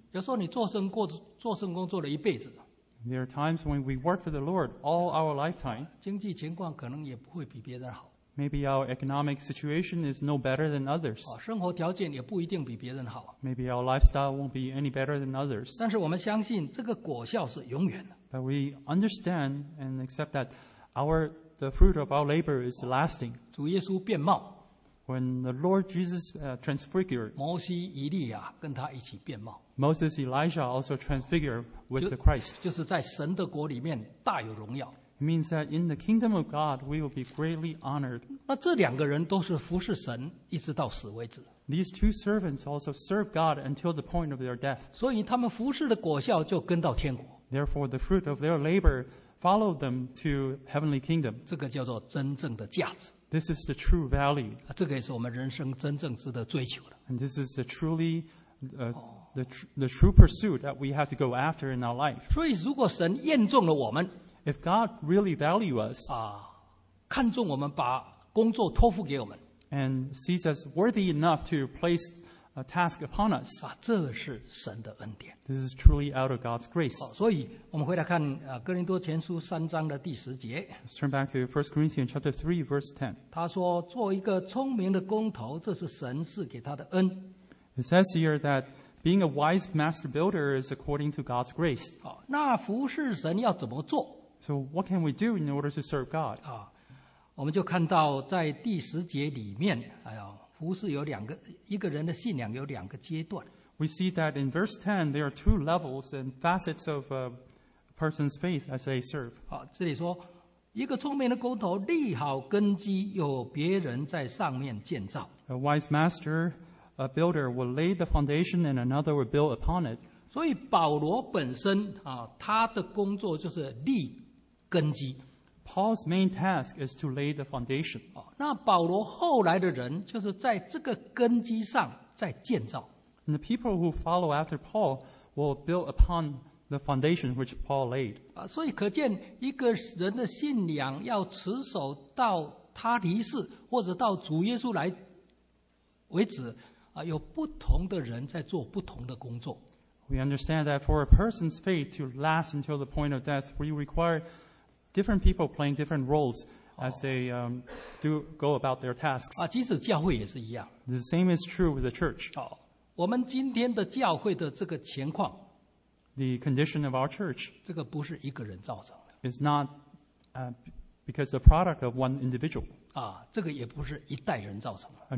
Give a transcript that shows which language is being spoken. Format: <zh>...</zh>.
<zh>有时候你做圣工做了一辈子。</zh> <en>There are times when we work for the Lord all our lifetime.</en> <zh>经济情况可能也不会比别人好。</zh> <en>Maybe our economic situation is no better than others.</en> <zh>生活条件也不一定比别人好。</zh> <en>Maybe our lifestyle won't be any better than others.</en> <zh>但是我们相信这个果效是永远的。</zh> <en>But we understand and accept that the fruit of our labor is lasting.</en> <zh>主耶稣变貌。</zh> <en>When the Lord Jesus transfigured.</en> <zh>摩西、以利亚跟他一起变貌。</zh> <en>Moses, Elijah also transfigured with the Christ.</en> <zh>就是在神的国里面大有荣耀。</zh> <en>It means that in the kingdom of God, we will be greatly honored.</en> <zh>那这两个人都是服侍神一直到死为止。</zh> <en>These two servants also serve God until the point of their death.</en> <zh>所以他们服侍的果效就跟到天国。</zh> <en>Therefore, the fruit of their labor followed them to heavenly kingdom.</en> <zh>这个叫做真正的价值。</zh> <en>This is the true value.</en> <zh>这个也是我们人生真正值得追求的。</zh> <en>And this is the truly, the true pursuit that we have to go after in our life.</en> <zh>所以如果神验中了我们。</zh> <en>If God really values us,</en> <zh>看重我们把工作托付给我们</zh> <en>and sees us worthy enough to place a task upon us,</en> <zh>这是神的恩典</zh> <en>This is truly out of God's grace.</en> <zh>所以我们回来看哥林多前书三章的第十节</zh> <en>Let's turn back to 1 Corinthians chapter 3, verse 10.</en> <zh>他说做一个聪明的工头这是神赐给他的恩</zh> <en>It says here that being a wise master builder is according to God's grace.</en> <zh>那服侍神要怎么做</zh> <en>So what can we do in order to serve God?</en> <zh>我们就看到在第十节里面，服侍有两个，一个人的信仰有两个阶段。</zh> <en>We see that in verse 10, there are two levels and facets of a person's faith as they serve.</en> <zh>这里说，一个聪明的工头立好根基，有别人在上面建造。</zh> <en>A wise master, a builder will lay the foundation and another will build upon it.</en> <zh>所以保罗本身，他的工作就是立根基。</zh> <en>Paul's main task is to lay the foundation.</en> <zh>那保罗后来的人就是在这个根基上在建造。</zh> <en>And the people who follow after Paul will build upon the foundation which Paul laid.</en> <zh>所以可见一个人的信仰要持守到他离世或者到主耶稣来为止，有不同的人在做不同的工作。</zh> <en>We understand that for a person's faith to last until the point of death, we require different people playing different roles as they do go about their tasks.</en> <zh>即使教会也是一样。</zh> <en>The same is true with the church.</en> <zh>我们今天的教会的这个情况</zh> <en>，the condition of our church，</en> <zh>这个不是一个人造成的。</zh> <en>It's not because the product of one individual.</en> <zh>这个也不是一代人造成的。</zh>